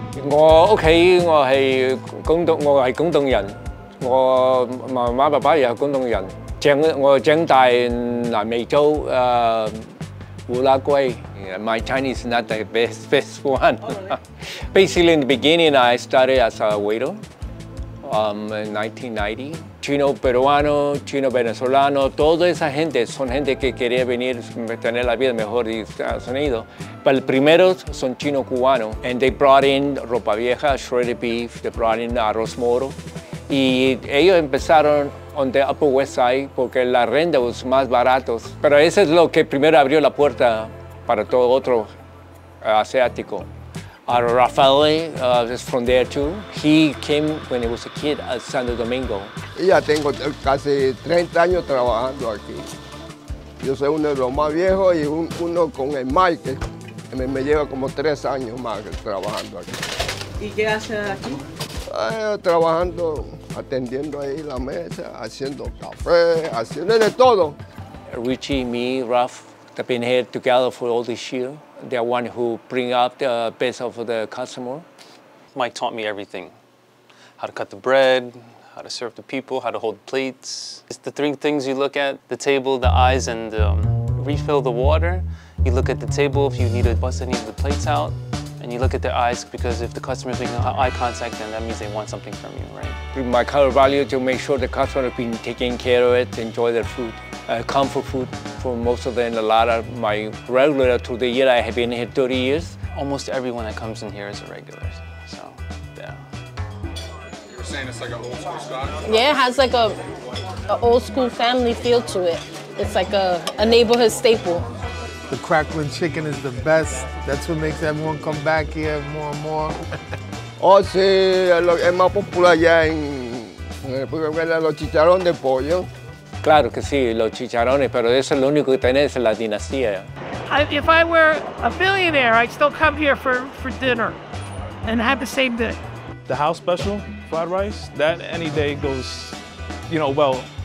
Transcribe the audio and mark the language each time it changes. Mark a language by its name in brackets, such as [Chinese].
[Cantonese] 我家我係廣東人，我媽媽爸爸又係廣東人。長大南美洲，烏拉圭。 [English] My Chinese is not the best one. Oh, really? Basically, in the beginning, I started as a waiter in 1990. [Spanish] Chino peruano, Chino venezolano, toda esa gente son gente que quería venir tener la vida mejor en Estados Unidos. [English] But the [Spanish] primeros son Chino cubano, [English] and they brought in ropa vieja, shredded beef, they brought in arroz moro. [Spanish] Y ellos empezaron [English] on the Upper West Side [Spanish] porque la renta [English] was [Spanish] más baratos. Pero eso es lo que primero abrió la puerta para todo otro asiático. [English] Rafael is from there too. He came when he was a kid at Santo Domingo. [Spanish] Ya tengo casi 30 años trabajando aquí. Yo soy uno de los más viejos y uno con el Mike, que me lleva como 3 años más trabajando aquí. ¿Y qué hace aquí? Trabajando, atendiendo ahí la mesa, haciendo café, haciendo de todo. [English] Richie, me, Raf, they've been here together for all this year. They're one who bring up the best of the customer. Mike taught me everything. How to cut the bread, how to serve the people, how to hold plates. It's the three things you look at, the table, the eyes, and refill the water. You look at the table if you need to bust any of the plates out. And you look at their eyes, because if the customer's making eye contact, then that means they want something from you, right? My color value to make sure the customer has been taking care of it, enjoy their food. Comfort food for most of them, a lot of my regular through the year, I have been here 30 years. Almost everyone that comes in here is a regular, so, yeah. You're saying it's like an old school stock? Yeah, it has like an old school family feel to it. It's like a neighborhood staple. The crackling chicken is the best. That's what makes everyone come back here more and more. [Spanish] Oh, sí, es más popular allá en los chicharrones de pollo. Claro que sí, los chicharrones, pero eso es lo único que tenés en la dinastía. [English] If I were a billionaire, I'd still come here for dinner and have the same thing. The house special, fried rice, that any day goes, you know, well.